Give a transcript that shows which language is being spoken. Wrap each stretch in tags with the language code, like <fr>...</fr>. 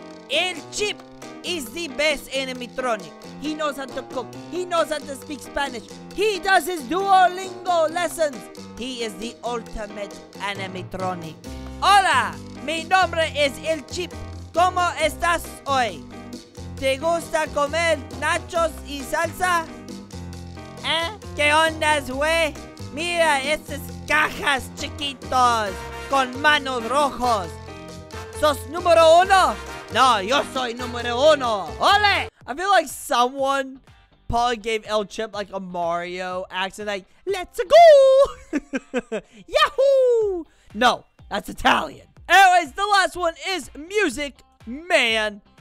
<en>El Chip is the best animatronic. He knows how to cook. He knows how to speak Spanish. He does his Duolingo lessons. He is the ultimate animatronic.</en> <es>Hola, mi nombre es El Chip. ¿Cómo estás hoy? ¿Te gusta comer nachos y salsa? ¿Eh? ¿Qué onda, güey? Mira estas cajas chiquitos con manos rojos. ¿Sos número uno? No, yo soy número uno. ¡Ole!</es> <en>I feel like someone probably gave El Chip like a Mario accent, like, let's go! Yahoo! No, that's Italian. Anyways, the last one is Music Man.</en>